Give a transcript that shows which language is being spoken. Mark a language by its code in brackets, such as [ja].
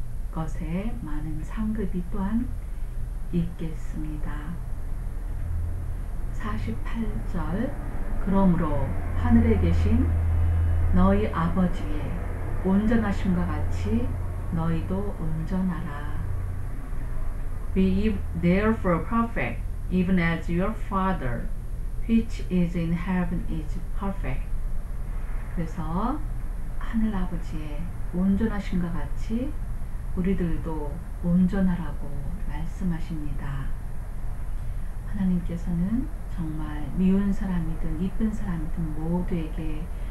[ko] 그것에 많은 상급이 또한 있겠습니다. 48절 그러므로 하늘에 계신 너희 아버지의 온전하심과 같이 너희도 온전하라. [en] Be therefore perfect, even as your Father, which is in heaven, is perfect. [ko] 그래서 하늘 아버지의 온전하심과 같이 우리들도 온전하라고 말씀하십니다. 하나님께서는 정말 미운 사람이든 이쁜 사람이든 모두에게